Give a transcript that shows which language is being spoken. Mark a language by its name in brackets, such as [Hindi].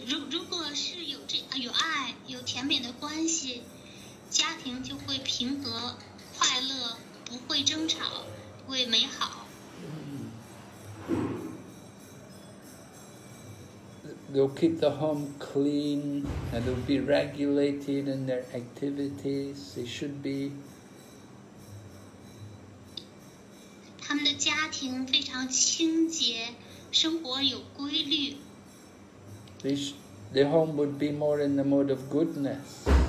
[Chinese] 如果是有爱、有甜美的关系，家庭就会平和、快乐，不会争吵，会美好。 [English] They'll keep the home clean and they'll be regulated in their activities. They should be. [Chinese] 他们的家庭非常清洁，生活有规律。 [English] The home would be more in the mode of goodness.